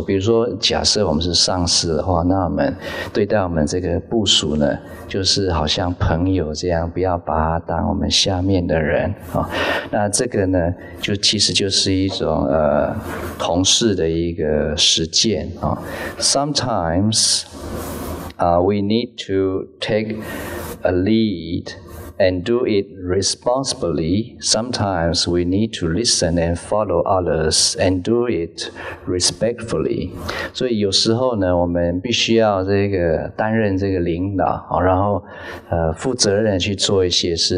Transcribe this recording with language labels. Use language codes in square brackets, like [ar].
[zh] 比如说假设我们是上司的话，那我们对待我们这个部署呢就是好像朋友这样，不要把他当我们下面的人、哦、那这个呢就其实就是一种同事的一个实践、哦、 [en] Sometimes we need to take a lead and do it responsibly. Sometimes we need to listen and follow others and do it respectfully. [zh] 所以有时候呢，我们必须要这个担任这个领导，然后负责任去做一些事。